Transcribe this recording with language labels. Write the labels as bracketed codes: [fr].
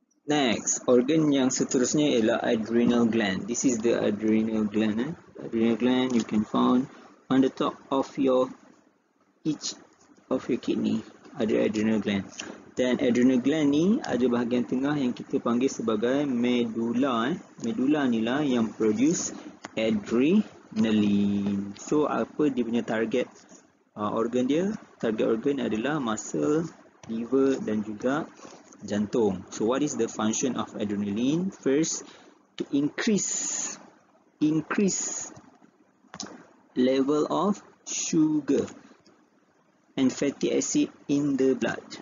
[ms] Next, organ yang seterusnya ialah adrenal gland. [en] This is the adrenal gland. Eh? Adrenal gland you can find on the top of each of your kidney. [ms] Ada adrenal gland. Then adrenal gland ni ada bahagian tengah yang kita panggil sebagai medulla. Eh? Medulla ni lah yang produce adrenaline. So apa dia punya target organ dia? Target organ adalah muscle, liver dan juga jantung. [en] So what is the function of adrenaline? First, to increase level of sugar and fatty acid in the blood.